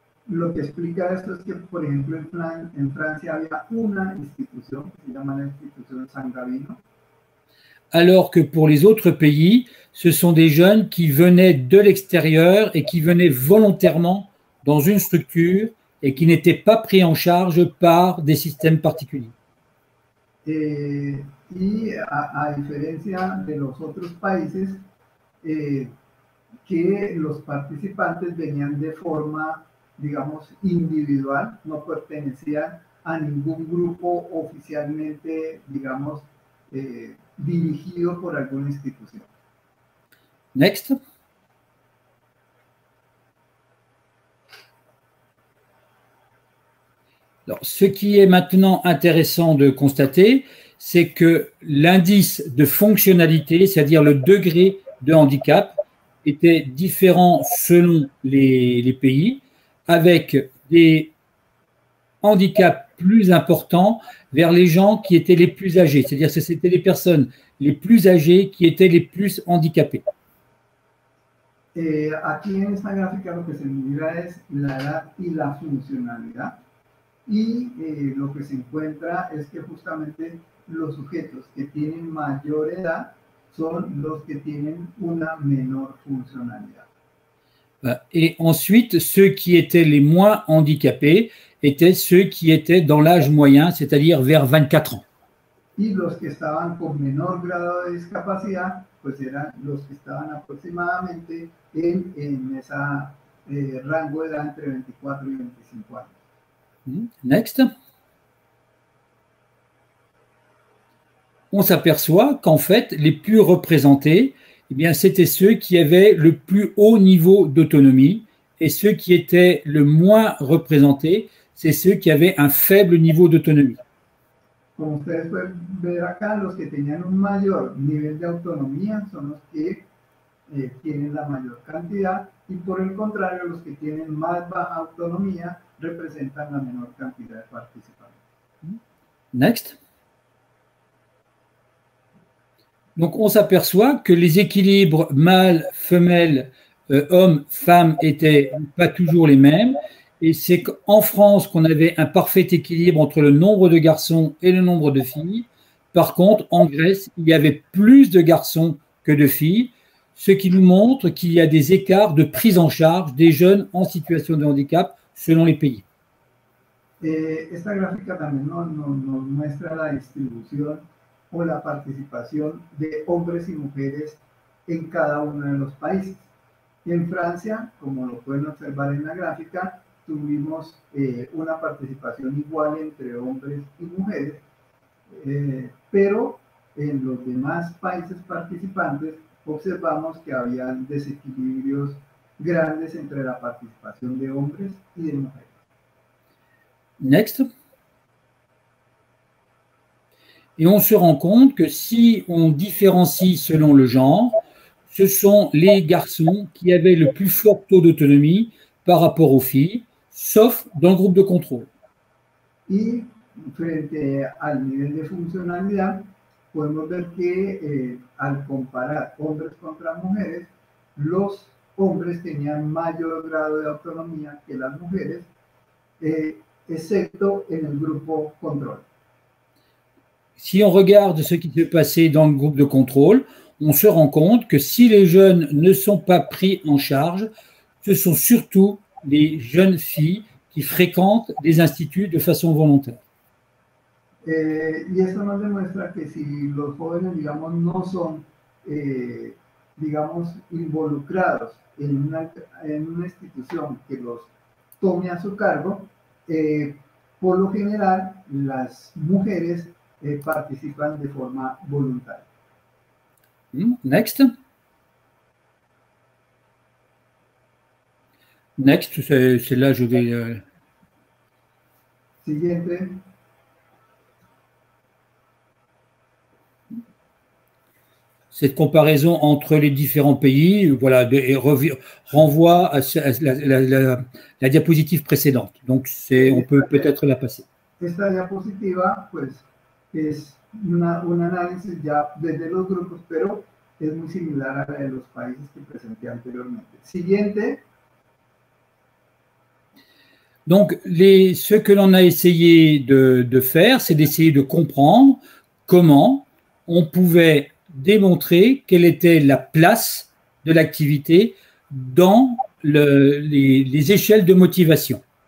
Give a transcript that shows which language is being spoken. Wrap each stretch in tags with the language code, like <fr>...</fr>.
<es>Lo que explica esto es que, por ejemplo, en Francia había una institución, se llama la institución San Gavino.</es> <fr>Alors que pour les autres pays, ce sont des jeunes qui venaient de l'extérieur et qui venaient volontairement dans une structure et qui n'étaient pas pris en charge par des systèmes particuliers. Et à différence de</fr> <es>los otros países, que los participantes venían de forma, digamos, individual, no pertenecían a ningún grupo oficialmente, digamos, dirigido por alguna institución.</es> <en>Next.</en> <fr>Alors, ce qui est maintenant intéressant de constater, c'est que l'indice de fonctionnalité, c'est-à-dire le degré de handicap, était différent selon les pays, avec des handicaps plus importants vers les gens qui étaient les plus âgés, c'est-à-dire que c'était les personnes les plus âgées qui étaient les plus handicapées.</fr> <es>Aquí en esta gráfica lo que se mira es la edad y la funcionalidad. Y lo que se encuentra es que justamente los sujetos que tienen mayor edad son los que tienen una menor funcionalidad.</es> <fr>Et ensuite, ceux qui étaient les moins handicapés étaient ceux qui étaient dans l'âge moyen, c'est-à-dire vers 24 ans.</fr> <es>Y los que estaban con menor grado de discapacidad, pues eran los que estaban aproximadamente en esa rango de edad entre 24 y 25 años.</es> <en>Next.</en> <fr>On s'aperçoit qu'en fait, les plus représentés, eh bien, c'était ceux qui avaient le plus haut niveau d'autonomie et ceux qui étaient le moins représentés, c'est ceux qui avaient un faible niveau d'autonomie. Comme</fr> <es>ustedes pueden ver acá, los que tenían un mayor nivel de autonomía son los que tienen la mayor cantidad y por el contrario, los que tienen más baja autonomía representan la menor cantidad de participantes.</es> <en>Next.</en> <fr>Donc on s'aperçoit que les équilibres mâle-femelle, homme-femme étaient pas toujours les mêmes. Et c'est qu'en France qu'on avait un parfait équilibre entre le nombre de garçons et le nombre de filles. Par contre, en Grèce, il y avait plus de garçons que de filles, ce qui nous montre qu'il y a des écarts de prise en charge des jeunes en situation de handicap selon les pays.</fr> <es>Esta gráfica también nos muestra la distribución o la participación de hombres y mujeres en cada uno de los países. En Francia, como lo pueden observar en la gráfica, tuvimos una participación igual entre hombres y mujeres, pero en los demás países participantes observamos que había desequilibrios grandes entre la participación de hombres y de mujeres.</es> <en>Next.</en> <fr>Et on se rend compte que si on différencie selon le genre, ce sont les garçons qui avaient le plus fort taux d'autonomie par rapport aux filles, sauf dans le groupe de contrôle.</fr> <es>Y frente al nivel de funcionalidad, podemos ver que al comparar hombres contra mujeres, los hombres tenían mayor grado de autonomía que las mujeres, excepto en el grupo control.</es> <fr>Si on regarde ce qui s'est passé dans le groupe de contrôle, on se rend compte que si les jeunes ne sont pas pris en charge, ce sont surtout les jeunes filles qui fréquentent les instituts de façon volontaire.</fr> <es>Y esto nos demuestra que si los jóvenes, digamos, no son, digamos, involucrados en una institución que los tome a su cargo, Por lo general, las mujeres participan de forma voluntaria.</es> <en>Next. Next,</en> <fr>c'est là je vais.</fr> <es>Siguiente.</es> <fr>Cette comparaison entre les différents pays, voilà, renvoie à la diapositive précédente. Donc, on peut peut-être la passer. Cette diapositive,</fr> <es>pues, es un análisis ya desde los grupos, pero es muy similar a la de los países que presenté anteriormente. Siguiente.</es> <fr>Donc, ce que l'on a essayé de faire, c'est d'essayer de comprendre comment on pouvait démontrer quelle était la place de l'activité dans les échelles de motivation.</fr>